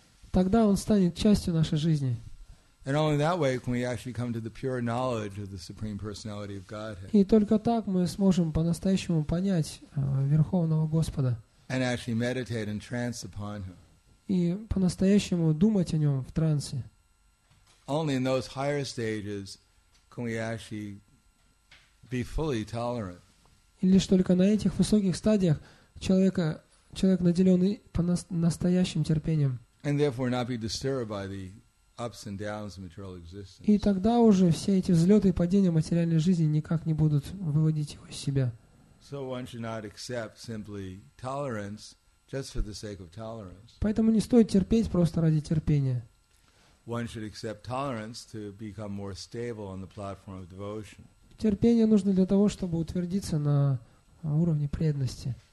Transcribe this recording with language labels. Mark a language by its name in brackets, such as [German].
[Russian] Тогда он станет частью нашей жизни. [English] And only that way can we actually come to the pure knowledge of the Supreme Personality of Godhead. [Russian] И только так мы сможем по-настоящему понять Верховного Господа. [English] And actually meditate and trance upon Him. [Russian] И по-настоящему думать о Нем в трансе. [English] Only in those higher stages can we actually be fully tolerant. [Russian] И лишь только на этих высоких стадиях человек наделен настоящим терпением. [English] And therefore not be disturbed by the ups and downs of material existence. [Russian] И тогда уже все эти взлеты и падения материальной жизни никак не будут выводить его из себя. [English] So one should not accept simply tolerance just for the sake of tolerance. [Russian] Поэтому не стоит терпеть просто ради терпения. [English] One should accept tolerance to become more stable on the platform of devotion. [Russian] Терпение нужно для того, чтобы утвердиться на уровне преданности.